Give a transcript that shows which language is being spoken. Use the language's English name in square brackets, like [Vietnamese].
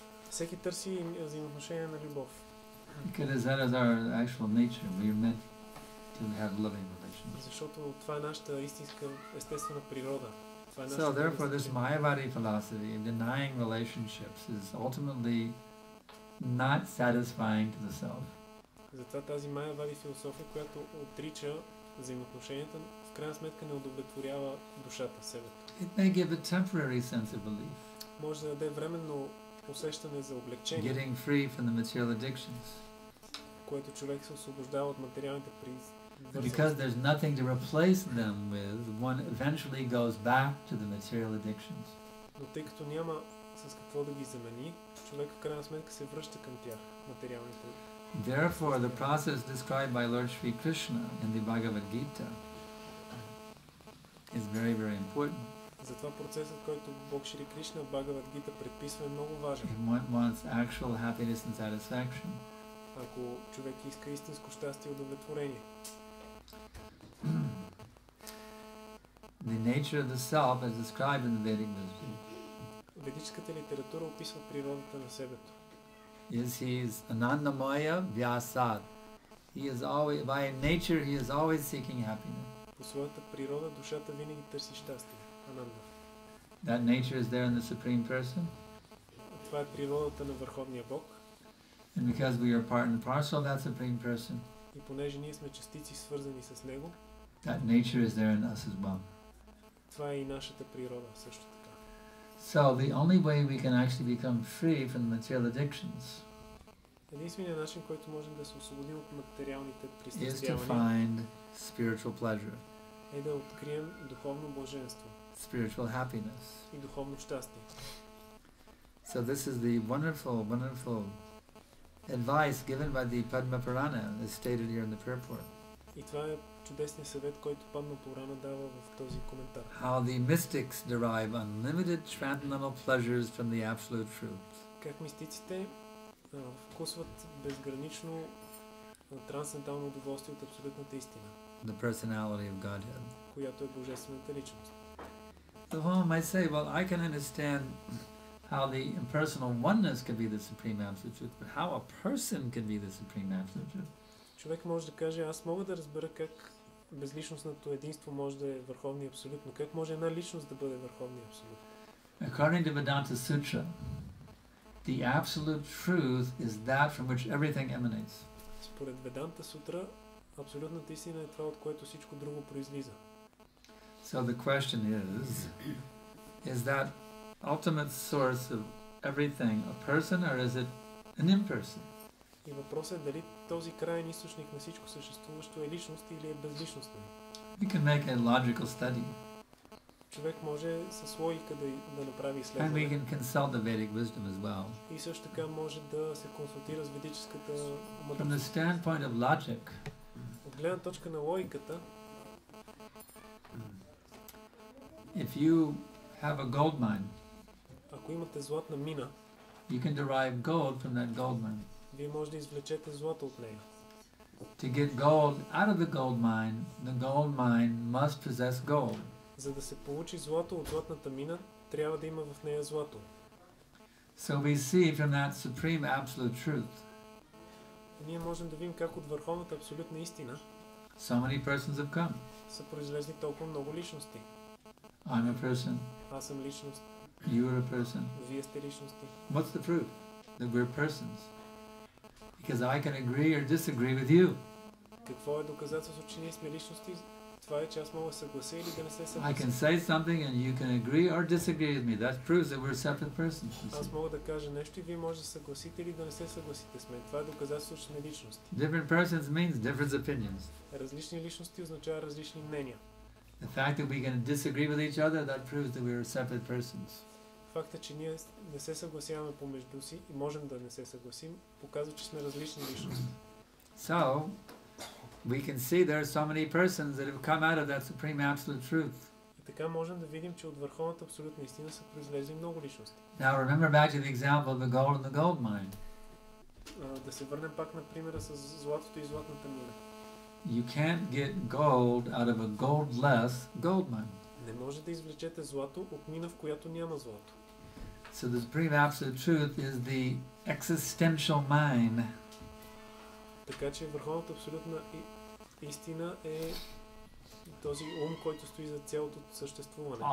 [Bulgarian] Всеки търси взаимоотношения на любов. [English] Because that is our actual nature. We are meant to have loving relationships. [Bulgarian] Защото това е нашата истинска естествена природа. [English] So therefore this Mayavadi philosophy of denying relationships is ultimately not satisfying to the self. [Bulgarian] Затова тази Mayavadi философия, която отрича взаимоотношенията, в крайна сметка не удовлетворява душата, себе. [English] It may give a temporary sense of relief. [Bulgarian] Може да даде временно усещане за облегчение. [English] Getting free from the material addictions. [Bulgarian] Което човек се освобождава от материалните принципи. [English] Because there's nothing to replace them with, one eventually goes back to the material addictions. [Bulgarian] Но тъй като няма с какво да ги замени, човек в крайна сметка се връща към тях, материалните. [English] Therefore, the process described by Lord Sri Krishna in the Bhagavad Gita is very, very important. [Bulgarian] Затова процесът, който Бог Шри Кришна в Бхагавад Гита предписва, е много важен. [English] If one wants actual happiness and satisfaction. [Bulgarian] Ако човек иска истинско щастие и удовлетворение. [English] The nature of the self as described in the Vedic literature. [Bulgarian] Ведическата литература описва природата на себето. [English] Yes, he is Anandamaya Vyasad. He is always, by nature, he is always seeking happiness. [Bulgarian] По своята природа душата винаги търси щастие. Ананда. [English] That nature is there in the Supreme Person. [Bulgarian] Това е природата на Върховния Бог. [English] And because we are part and parcel of that Supreme Person. [Bulgarian] И понеже ние сме частици, свързани с него. [English] That nature is there in us as well. [Bulgarian] Това е и нашата природа също. [English] So the only way we can actually become free from the material addictions. [Bulgarian] Единственият начин, който можем да се освободим от материалните пристрастия, [English] is to find spiritual pleasure. [Bulgarian] Е да открием духовно блаженство. [English] Spiritual happiness. [Bulgarian] И духовно щастие. [English] So this is the wonderful, wonderful advice given by the Padma Purana, as stated here in the purport. [Bulgarian] И това е чудесният съвет, който Падма Пурана дава в този коментар. [English] How the mystics derive unlimited transcendental pleasures from the absolute truth. [Bulgarian] Как мистиците вкусват безгранично трансцендентално удоволствие от абсолютната истина. [English] The personality of Godhead. [Bulgarian] Която е божествената личност. [English] The one might say, well, I can understand how the impersonal oneness can be the supreme absolute truth, but how a person can be the supreme absolute truth. [Bulgarian] Човек може да каже, аз мога да разбера как безличностното единство може да е върховно абсолютно. Как може една личност да бъде върховно абсолютно? [English] According to Vedanta Sutra, the absolute truth is that from which everything emanates. [Bulgarian] Според Vedanta Sutra, абсолютната истина е това, от което всичко друго произлиза. [English] So the question is that ultimate source of everything a person or is it an imperson? [Bulgarian] И въпросът е дали този крайен източник на всичко съществуващо е личност или е безличностен. [English] We can make a logical study. [Bulgarian] Човек може с логика да направи изследване. [English] And we can consult the Vedic wisdom as well. [Bulgarian] И също така може да се консултира с ведическата мъдрост. [English] From the standpoint of logic. [Bulgarian] От гледна точка на логиката. [English] If you have a gold mine. [Bulgarian] Ако имате златна мина. [English] You can derive gold from that gold mine. [Bulgarian] Вие може да извлечете злато от нея. [English] To get gold out of the gold mine must possess gold. [Bulgarian] За да се получи злато от златната мина, трябва да има в нея злато. [English] So we see from that supreme absolute truth. [Bulgarian] Ние можем да видим как от върховната абсолютна истина. [English] So many persons have come. [Bulgarian] Са произлезли толкова много личности. [English] I'm a person. [Bulgarian] Аз съм личност. [English] You are a person. [Bulgarian] Вие сте личности. [English] What's the proof that we're persons? Because I can agree or disagree with you. [Bulgarian] Какво е доказателство, че ние сме личности? Това е, че аз мога да се съглася или да не се съглася. [English] I can say something and you can agree or disagree with me. That proves that we're separate persons. [Bulgarian] Аз мога да кажа нещо и вие може да съгласите или да не се съгласите с мен. Това е доказателство, че сме личности. [English] Different persons means different opinions. [Bulgarian] Различни личности означава различни мнения. [English] The fact that we can disagree with each other, that proves that we are separate persons. [Bulgarian] Фактът, че ние не се съгласяваме помежду си и можем да не се съгласим, показва, че сме различни личности. [English] So, we can see there are so many persons that have come out of that supreme absolute truth. [Bulgarian] И така можем да видим, че от върховната абсолютна истина са произлезли много личности. [English] Now remember back to the example of the gold and the gold mine. [Bulgarian] Да се върнем пак на примера с златото и златната мина. [English] You can't get gold out of a goldless gold mine. [Bulgarian] Не може да извлечете злато от мина, в която няма злато. [English] So the supreme absolute truth is the existential mine. [Bulgarian] Така че върховната абсолютна истина е този ум, който стои за цялото съществуване.